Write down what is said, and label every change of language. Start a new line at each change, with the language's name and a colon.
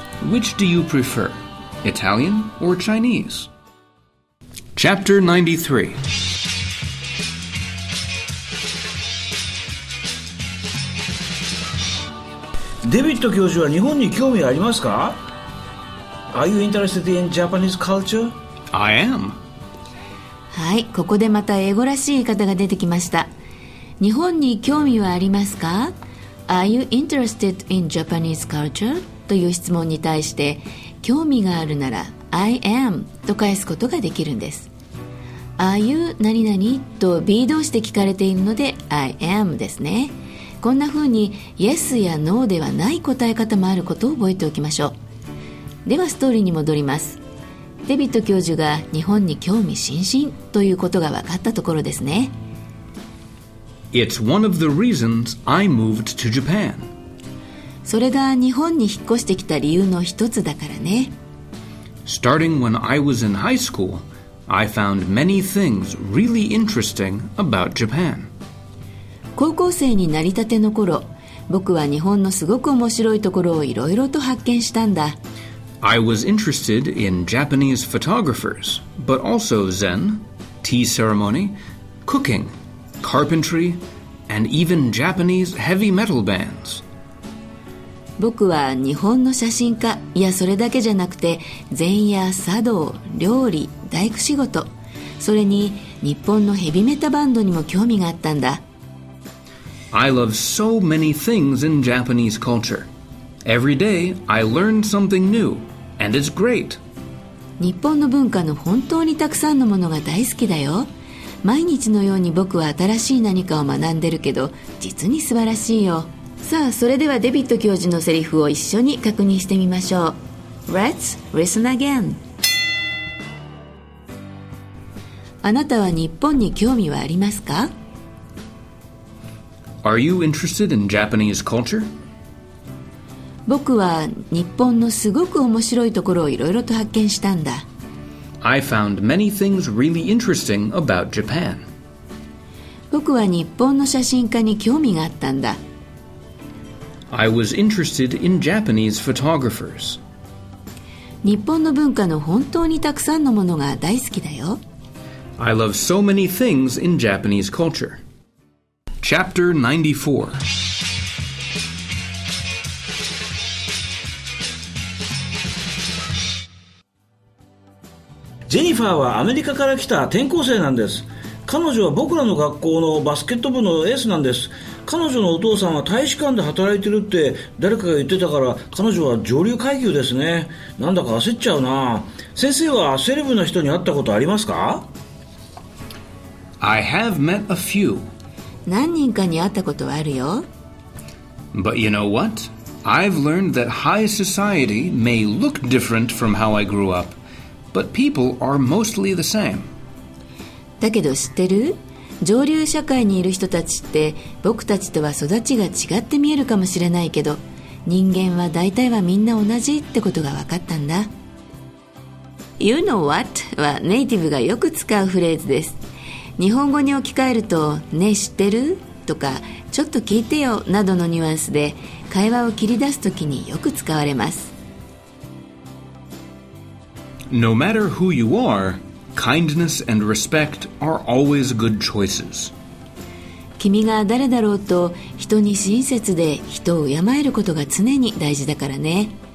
English: Which do you prefer? Italian or Chinese? Chapter 93.
Japanese: デビット教授は日本に興味ありますか？
English: Are you interested in Japanese culture? I am.
Japanese: はい、ここでまた英語らしい言い方が出てきました。日本に興味はありますか？
English: Are you interested in Japanese culture?
Japanese: という質問に対して、興味があるなら
English: I am
Japanese: と返すことができるんです。
English: Are you
Japanese: 何々と B 動詞で聞かれているので
English: I am
Japanese: ですね。こんな風に Yes や No ではない答え方もあることを覚えておきましょう。ではストーリーに戻ります。デビット教授が日本に興味津々ということが分かったところですね。
English: It's one of the reasons I moved to Japan.
Japanese: それが日本に引っ越してきた理由の一つだからね。
English: Starting when I was in high school, I found many things really interesting about Japan.
Japanese: 高校生になりたての頃、僕は日本のすごく面白いところをいろいろと発見したんだ。
English: I was interested in Japanese photographers, but also Zen, tea ceremony, cooking,Carpentry, and even Japanese heavy metal bands.
Japanese: 僕は日本の写真家、いやそれだけじゃなくて禅や茶道、料理、大工仕事、それに日本のヘビメタバンドにも興味があったんだ。
English: I love so many things in Japanese culture. Every day I learn something new, and it's great.
Japanese: 日本の文化の本当にたくさんのものが大好きだよ。毎日のように僕は新しい何かを学んでるけど、実に素晴らしいよ。さあ、それではデビット教授のセリフを一緒に確認してみましょう。
English: Let's listen again.
Japanese: あなたは日本に興味はありますか？
English: Are you interested in Japanese culture?
Japanese: 僕は日本のすごく面白いところをいろいろと発見したんだ。
English: I found many things really interesting about Japan.
Japanese: 僕は日本の写真家に興味があったんだ。
English: I was interested in Japanese photographers.
Japanese: 日本の文化の本当にたくさんのものが大好きだよ。
English: I love so many things in Japanese culture. Chapter 94.
Japanese: ジェニファーはアメリカから来た転校生なんです。彼女は僕らの学校のバスケット部のエースなんです。彼女のお父さんは大使館で働いてるって誰かが言ってたから、彼女は上流階級ですね。なんだか焦っちゃうな。先生はセレブな人に会ったことありますか？
English: I have met a few.
Japanese: 何人かに会ったことはあるよ。
English: But you know what? I've learned that high society may look different from how I grew upBut people are mostly the same.
Japanese: だけど知ってる？上流社会にいる人たちって僕たちとは育ちが違って見えるかもしれないけど、人間は大体はみんな同じってことが分かったんだ。
English: You know what?
Japanese: はネイティブがよく使うフレーズです。日本語に置き換えると、ね、知ってる？とか、ちょっと聞いてよなどのニュアンスで会話を切り出すときによく使われます。
English: No matter who you are, kindness and respect are always good choices.
Japanese: 君が誰だろうと人に親切で人を敬えることが常に大事だからね。